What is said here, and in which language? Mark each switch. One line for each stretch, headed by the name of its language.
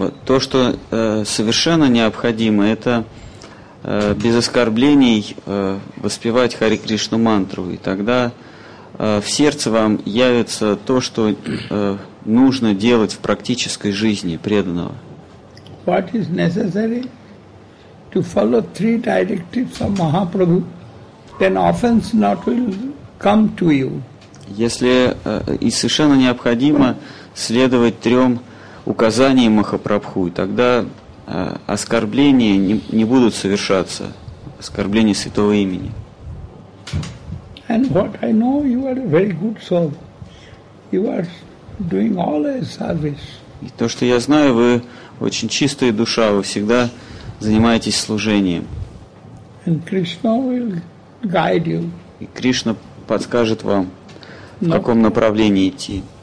Russian: То, что совершенно необходимо, это без оскорблений воспевать Хари Кришну мантру, и тогда в сердце вам явится то, что нужно делать в практической жизни преданного.
English: What is necessary to follow three directives of Mahaprabhu, then offense not will come to you.
Russian: Если и совершенно необходимо следовать трем указаниям Махапрабху, тогда оскорбления не будут совершаться, оскорбления святого имени.
English: And what I know, you are a very good soul. You are doing all a service.
Russian: И то, что я знаю, вы очень чистая душа, вы всегда занимаетесь служением.
English: And Krishna will guide you.
Russian: И Кришна подскажет вам, в каком направлении идти.